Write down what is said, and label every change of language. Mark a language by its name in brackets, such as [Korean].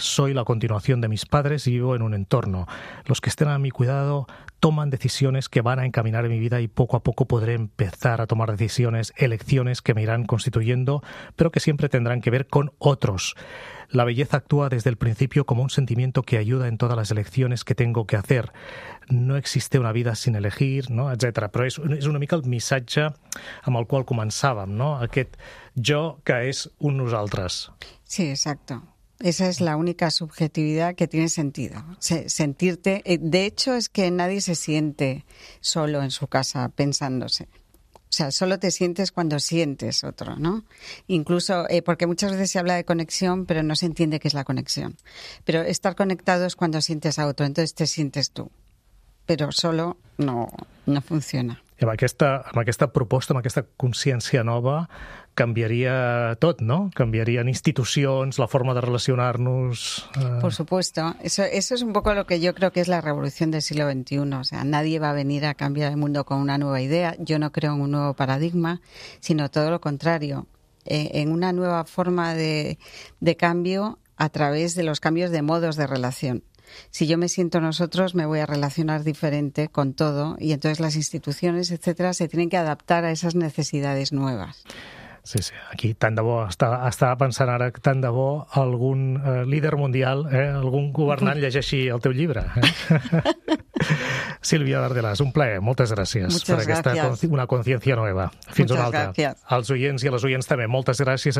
[Spanish] Soy la continuación de mis padres y vivo en un entorno. Los que estén a mi cuidado toman decisiones que van a encaminar mi vida, y poco a poco podré empezar a tomar decisiones, elecciones que me irán constituyendo, pero que siempre tendrán que ver con otros. La belleza actúa desde el principio como un sentimiento que ayuda en todas las elecciones que tengo que hacer. No existe una vida sin elegir, ¿no?, etcétera. [Catalan] Però és una mica el missatge amb el qual començàvem, no? Aquest jo que és un nosaltres. [Spanish] Sí, exacto. Esa es la única subjetividad que tiene sentido. Sentirte, de hecho, es que nadie se siente solo en su casa pensándose. O sea, solo te sientes cuando sientes otro, ¿no? Incluso, porque muchas veces se habla de conexión, pero no se entiende qué es la conexión. Pero estar conectado es cuando sientes a otro, entonces te sientes tú. Però solo no funciona. [Catalan] I amb aquesta proposta, amb aquesta consciència nova, canviaria tot, no? Canviarien institucions, la forma de relacionar-nos... [Spanish] Por supuesto. Eso es un poco lo que yo creo que es la revolución del siglo XXI. O sea, nadie va a venir a cambiar el mundo con una nueva idea. Yo no creo en un nuevo paradigma, sino todo lo contrario. En una nueva forma de cambio a través de los cambios de modos de relación. Si yo me siento nosotros, me voy a relacionar diferente con todo, y entonces las instituciones, etcétera, se tienen que adaptar a esas necesidades nuevas. [Catalan] Sí, sí, aquí tant de bo, estava pensant ara, tant de bo algun líder mundial, algun governant llegeixi el teu llibre. Sílvia Dardelàs, un plaer, moltes gràcies. [Spanish] Muchas per gracias. [Catalan] Aquesta una consciència nova. Fins una altra. Als oients i a les oients també, moltes gràcies.